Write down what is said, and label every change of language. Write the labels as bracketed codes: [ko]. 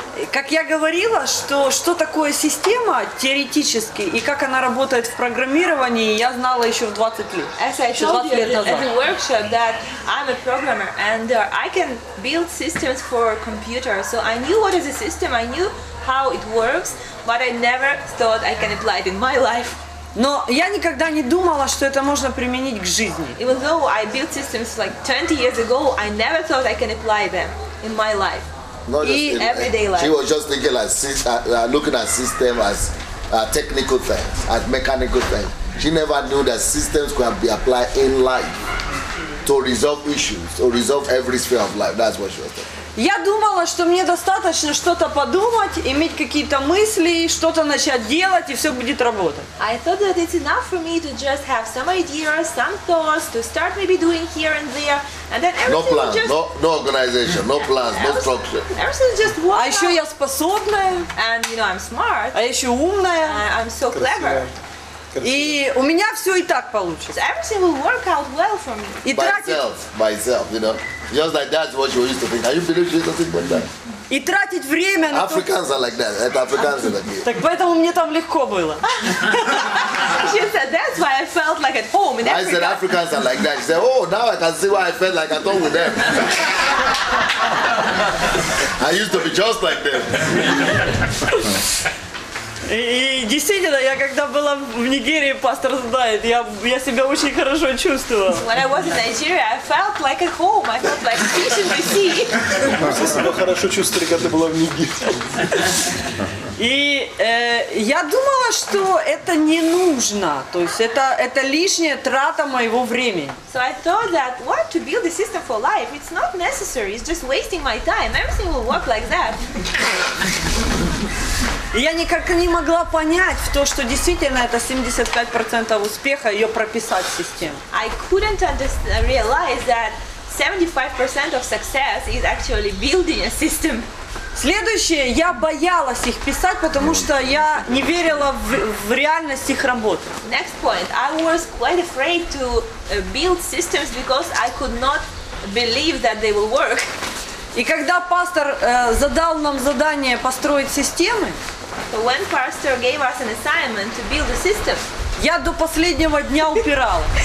[ru] Как я говорила, что такое система теоретически и как она работает в программировании, я знала еще в 20 лет. [en] As I told you at the workshop that I'm a programmer and I can build systems for computers. So I knew what is a system, I knew how it works, but I never thought I can apply it in my life. [ru] Но я никогда не думала, что это можно применить к жизни. [en] Even though I built systems like 20 years ago, I never thought I can apply them in my life. Not just in everyday life. She was just thinking looking at system as technical things, as mechanical things. She never knew that systems could be applied in life to resolve issues, to resolve every sphere of life. That's what she was thinking. [ru] Я думала, что мне достаточно что-то подумать, иметь какие-то мысли, что-то начать делать, и все будет работать. [en] I thought that it's enough for me to just have some ideas, some thoughts, to start maybe doing here and there, and then everything no plan, just... No organization, no plans, no structure. Everything just works. [ru] А еще я способная. [en] And, you know, I'm smart. [ru] А еще умная. [en] I'm so clever. [ru] И у меня все и так получится. [en] So everything will work out well for me. И by itself, you know. Just like that's what you used to think. Are you finished with something like that? [ru] И тратить время на... [en] Africans are like that. [ru] Это африканцы такие. Так поэтому мне там легко было. [en] She said, that's why I felt like at home in Africa. I said, Africans are like that. She said, oh, now I can see why I felt like at home with them. I used to be just like them. [ru] И действительно, я когда была в Нигерии, пастор знает, я себя очень хорошо чувствовала. [en] When I was in Nigeria, I felt like at home. I felt like fish in the sea. [ru] Мы себя хорошо чувствовали, когда была в Нигерии. И я думала, что это не нужно. То есть это лишняя трата моего времени. [en] So I thought that what to build a system for life? It's not necessary. It's just wasting my time. Everything will work like that. [ru] Я никак не могла понять в то, что действительно это 75% успеха ее прописать в систему. [en] I couldn't realize that 75% of success is actually building a system. [ru] Следующее, я боялась их писать, потому что я не верила в реальность их работы. [en] Next point, I was quite afraid to build systems because I could not believe that they will work. [ru] И когда пастор задал нам задание построить системы, [en] so when pastor gave us an assignment to build a system, [ru] я до последнего дня упирала.